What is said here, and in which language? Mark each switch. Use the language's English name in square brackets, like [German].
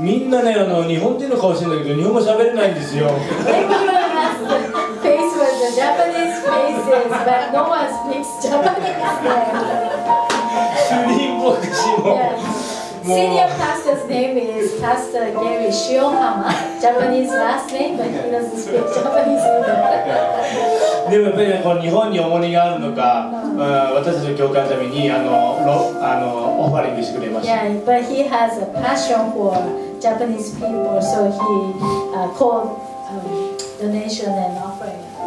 [Japanese] みんなね、あの日本人の顔してるんだけど、日本語喋れないんですよ。 [English] Thank you very much. Face was the Japanese faces, but no one speaks Japanese. [Japanese] 主任牧師も。 [English] Senior pastor's name is Pastor Gary Shiohama. Japanese last name, but he doesn't speak Japanese either. [Japanese] でもやっぱりこの日本に重荷があるのか、うん、私たちの教会のためにオファリングしてくれました。 [English] Yeah, but he has a passion for Japanese people, so he called donation and offering.